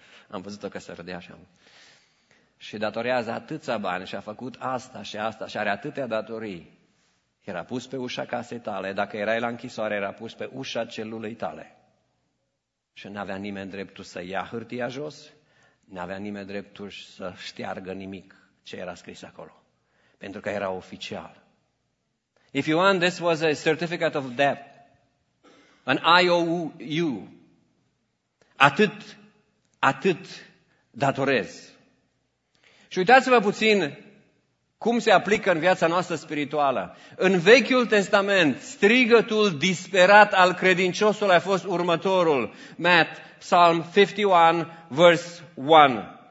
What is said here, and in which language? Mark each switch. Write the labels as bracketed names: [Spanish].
[Romanian] Am văzut-o că se râdea așa. Și datorează atâția bani și a făcut asta și asta și are atâtea datorii. Era pus pe ușa casei tale, dacă erai la închisoare, era pus pe ușa celulei tale. Și n-avea nimeni dreptul să ia hârtia jos, n-avea nimeni dreptul să șteargă nimic ce era scris acolo. Pentru că era oficial. [English] If you want, this was a certificate of debt. An IOU. Atât [Romanian] atât datorez. Și uitați-vă puțin cum se aplică în viața noastră spirituală. În Vechiul Testament, strigătul disperat al credinciosului a fost următorul. [English] Matt, Psalm 51, verse 1.